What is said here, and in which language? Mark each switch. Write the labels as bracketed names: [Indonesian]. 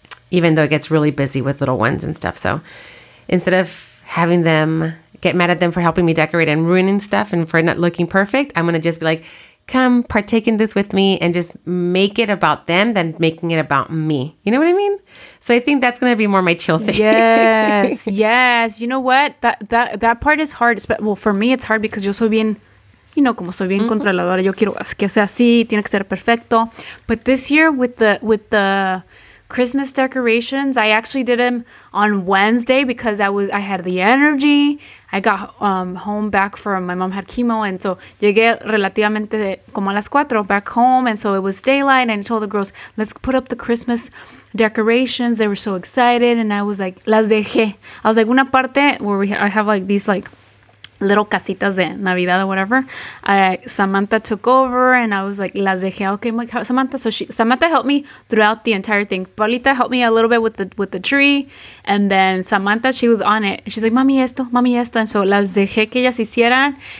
[English] Even though it gets really busy with little ones and stuff. So instead of having them get mad at them for helping me decorate and ruining stuff and for not looking perfect, I'm going to just be like, come partake in this with me and just make it about them than making it about me. You know what I mean? So I think that's going to be more my chill thing. Yes. Yes. You know what? That part is hard. [Spanish] Well, for me, it's hard because yo soy bien, you know, como soy bien controladora, yo quiero que sea así, tiene que ser perfecto. [English] But this year with the Christmas decorations, I actually did them on Wednesday because I had the energy. I got home back from, my mom had chemo, and so llegué relativamente como a las cuatro back home, and so it was daylight, and I told the girls, let's put up the Christmas decorations. They were so excited, and I was like, las dejé. I was like, una parte where I have like these like little casitas de Navidad or whatever. Samantha took over and I was like, las dejé. Okay, my God, Samantha. So Samantha helped me throughout the entire thing. Paulita helped me a little bit with the tree. And then Samantha, she was on it. She's like, mami esto. [Spanish] And so las dejé que ellas hicieran.